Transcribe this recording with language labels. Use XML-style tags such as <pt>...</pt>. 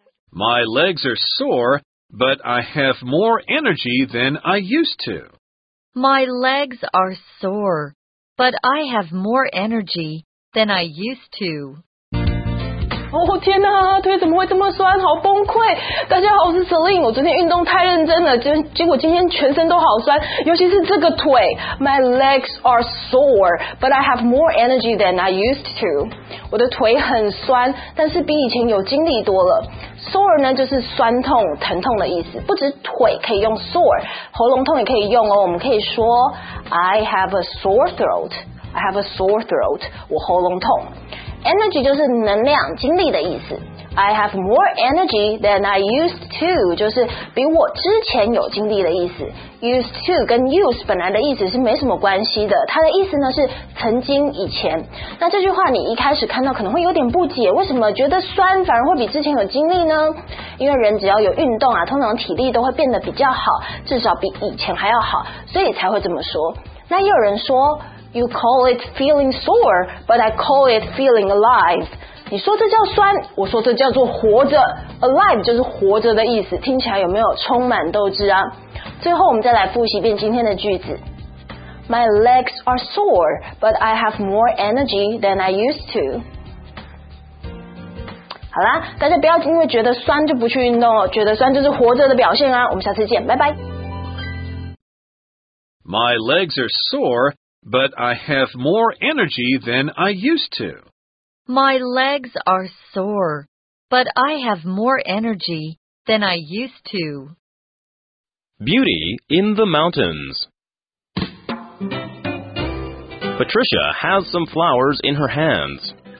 <en>My legs are sore, but I have more energy than I used to. My legs are sore. But I have more energy than I used to.</en> <zh>哦天哪，腿怎么会这么酸？好崩溃！大家好，我是 Celine， 我昨天运动太认真了，结果今天全身都好酸，尤其是这个腿。</zh> <en>My legs are sore, but I have more energy than I used to.</en> <zh>我的腿很酸，但是比以前有精力多了。 Sore 呢，就是酸痛、疼痛的意思，不止腿可以用 sore， 喉咙痛也可以用哦。我们可以说</zh> <en>I have a sore throat. I have a sore throat.</en> <zh>我喉咙痛。 Energy 就是能量、精力的意思。</zh> <en>I have more energy than I used to</en> <zh>就是比我之前有精力的意思。 Used to 跟 use 本来的意思是没什么关系的，它的意思呢是曾经、以前。那这句话你一开始看到可能会有点不解，为什么觉得酸反而会比之前有精力呢？因为人只要有运动啊，通常体力都会变得比较好，至少比以前还要好，所以才会这么说。那又有人说</zh> <en>You call it feeling sore, but I call it feeling alive.</en> <zh>你说这叫酸，我说这叫做活着。Alive 就是活着的意思，听起来有没有充满斗志啊？最后我们再来复习一遍今天的句子。</zh> <en>My legs are sore, but I have more energy than I used to.</en> <zh>好啦，大家不要因为觉得酸就不去运动哦，觉得酸就是活着的表现啊。我们下次见，拜拜。</zh> <en>My legs are sore. But I have more energy than I used to. My legs are sore, but I have more energy than I used to. Beauty in the Mountains. Patricia has some flowers in her hands.</en>